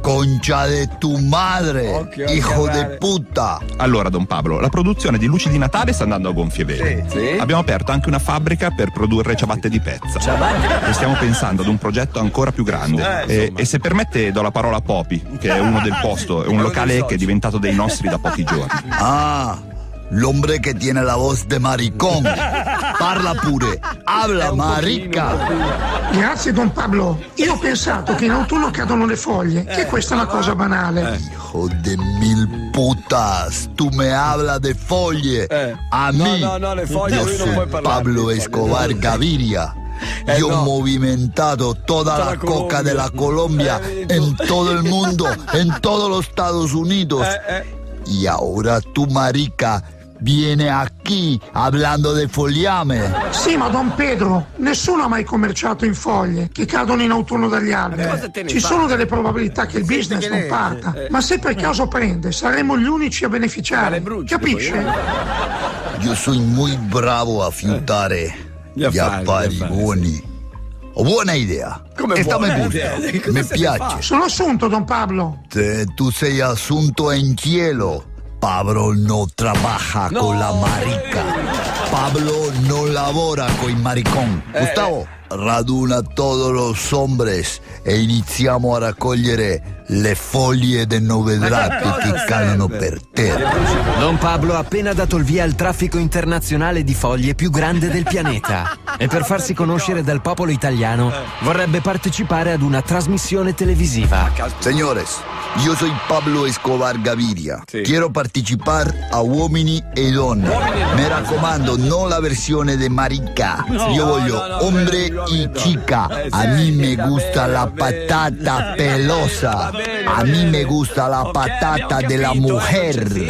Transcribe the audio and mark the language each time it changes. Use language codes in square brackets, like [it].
[es] Concia de tu madre, hijo de puta. [it] Allora, Don Pablo, la produzione di Luci di Natale sta andando a gonfie vele. Sì. Abbiamo aperto anche una fabbrica per produrre ciabatte di pezza. Ciabatte? E stiamo pensando ad un progetto ancora più grande. E se permette, do la parola a Popi, che è uno del posto, è un locale che è diventato dei nostri da pochi giorni. [es] Ah, l'hombre che tiene la voz de maricón. [it] Parla pure, [es] habla, marica. [it] Grazie, Don Pablo. Io ho pensato che in autunno cadono le foglie, che questa è una cosa banale. [es] Hijo de mil putas, tu me habla de foglie. [it] A me, Pablo Escobar Gaviria. Io ho movimentato tutta la coca della Colombia in tutto il mondo, in tutti gli Stati Uniti. [es] Y ahora tu marica viene aquí hablando de fogliame. [it] Sì, ma Don Pedro, nessuno ha mai commerciato in foglie che cadono in autunno dagli alberi. Ci sono delle probabilità che il business non parta, ma se per caso prende saremo gli unici a beneficiare, capisce? Io sono molto bravo a fiutare gli affari buoni. Ho buona idea. Come sta, buona me idea? Mi piace. Sono assunto, Don Pablo. Tu sei assunto in cielo. [es] Pablo non trabaja con la marica. [it] Pablo non lavora con il maricón. Gustavo, raduna tutti gli hombres e iniziamo a raccogliere le foglie del Novedrate che cadono per terra. Don Pablo ha appena dato il via al traffico internazionale di foglie più grande del pianeta. E per farsi conoscere dal popolo italiano vorrebbe partecipare ad una trasmissione televisiva. Señores, io sono Pablo Escobar Gaviria. Sì. [es] Quiero participar a Uomini e Donne. [it] Mi raccomando, non la versione de marica. No, io voglio [es] hombre y chica. A mí me gusta la patata pelosa. A mí me gusta la patata de la mujer.